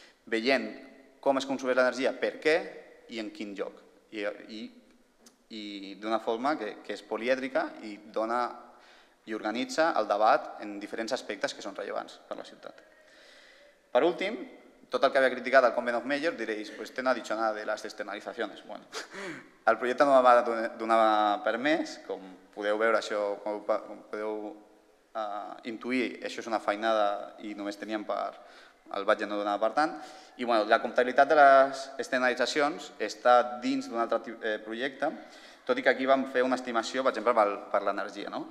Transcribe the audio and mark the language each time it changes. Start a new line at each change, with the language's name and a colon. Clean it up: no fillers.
Catalan: Veient com es consumeix l'energia, per què i en quin lloc. I d'una forma que és polièdrica i dona i organitza el debat en diferents aspectes que són rellevants per a la ciutat. Per últim, tot el que havia criticat el Convent of Mayors, direis,
Spanish: pues usted no ha dicho nada de las externalizaciones.
Catalan: Bueno, el projecte no va donar permès, com podeu veure això, com podeu intuir, això és una feinada i només teníem per el budget no donava per tant. I bueno, la comptabilitat de les externalitzacions està dins d'un altre projecte, tot i que aquí vam fer una estimació, per exemple, per l'energia. No?